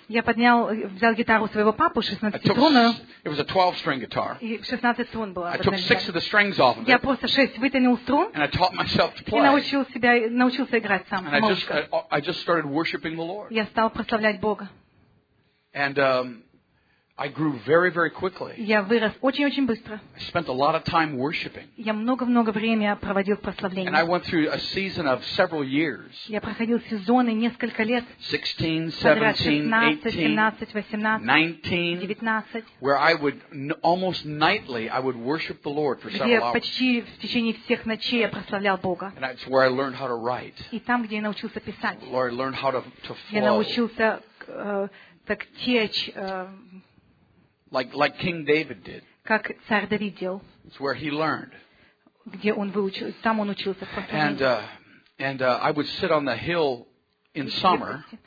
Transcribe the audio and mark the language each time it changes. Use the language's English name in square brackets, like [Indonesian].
[Russian] Я поднял, взял гитару своего папы 16-струнную. [English] It was a 12-string guitar. [Russian] И 16 струн было. [English] I took six of the strings off of it. [Russian] Я просто 6 вытянул струн. [English] And I taught myself to play. [Russian] И научил себя, научился играть сам. [English] And I just started worshiping the Lord. [Russian] Я стал прославлять Бога. [English] And I grew very, very quickly. [Russian] Я вырос очень-очень быстро. [English] I spent a lot of time worshiping. [Russian] Я много-много времени проводил в прославлении. [English] And I went through a season of several years. [Russian] Я проходил сезоны несколько лет. 16, 17, 18, 19, 19. [English] Where I would almost nightly I would worship the Lord for several hours. [Russian] Где почти в течение всех ночей я прославлял Бога. [English] And that's where I learned how to write. [Russian] И там, где я научился писать. [English] Lord, I learned how to flow. [Russian] Я научился так течь. [English] Like King David did. [Russian] Как царь Давид делал. [English] It's where he learned. [Russian] Где он выучил, там он учился. [English] And I would sit on the hill in summer.